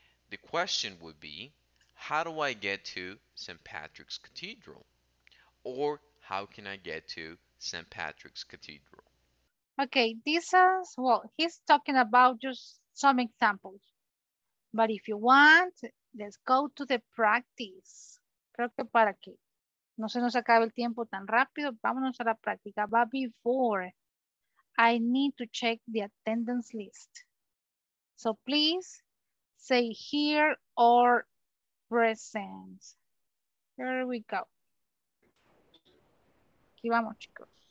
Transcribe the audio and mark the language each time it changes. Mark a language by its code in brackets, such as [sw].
[en] The question would be, how do I get to St. Patrick's Cathedral? Or how can I get to St. Patrick's Cathedral? Okay, this is, well, he's talking about just some examples. But if you want, let's go to the practice. [es] Creo que para que no se nos acabe el tiempo tan rápido, vámonos a la práctica. [en] But before, I need to check the attendance list. So please say here or present. Here we go. [es] Aquí vamos, chicos.